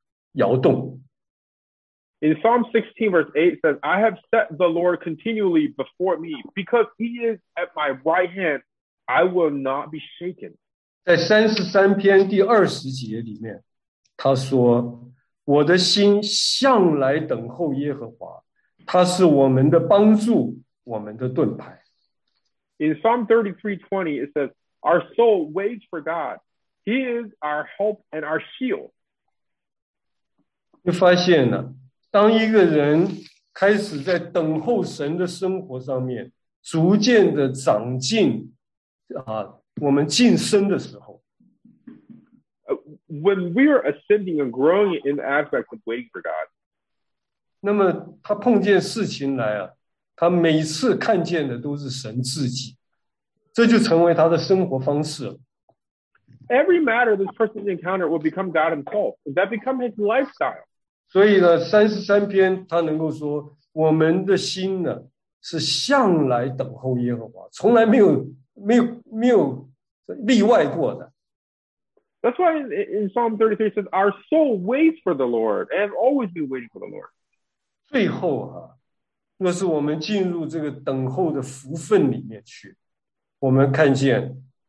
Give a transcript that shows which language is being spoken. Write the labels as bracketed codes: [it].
[zh] 接下来一步在诗篇16篇第8节，大卫说：“我将耶和华常摆在我面前，因他在我右边，我便不致摇动。” [en] In Psalm 16, verse 8 says, "I have set the Lord continually before me, because he is at my right hand. I will not be shaken." [zh] 在33篇第20节里面，他说：“我的心向来等候耶和华，他是我们的帮助，我们的盾牌。” [en] In Psalm 33:20, it says, "Our soul waits for God; He is our hope and our shield." [zh] 就发现了，当一个人开始在等候神的生活上面逐渐的长进啊，我们晋升的时候， [en] when we are ascending and growing in the aspect of waiting for God, [zh] 那么他碰见事情来啊，他每次看见的都是神自己，这就成为他的生活方式了。 [en] Every matter this person encountered will become God himself. That become his lifestyle. [zh] 所以呢，三十三篇他能够说，我们的心呢是向来等候耶和华，从来没有例外过的。 [en] That's why in Psalm 33 says, "Our soul waits for the Lord, and have always been waiting for the Lord." [zh] 最后啊，那是我们进入这个等候的福分里面去，我们看见。